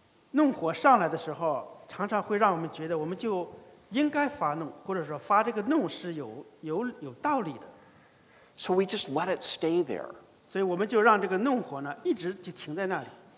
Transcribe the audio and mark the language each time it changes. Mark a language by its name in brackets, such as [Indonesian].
[Chinese] 怒火上来的时候常常会让我们觉得我们就应该发怒或者说发这个怒是有道理的 [English] so we just let it stay there [Chinese] 所以我们就让这个怒火呢一直就停在那里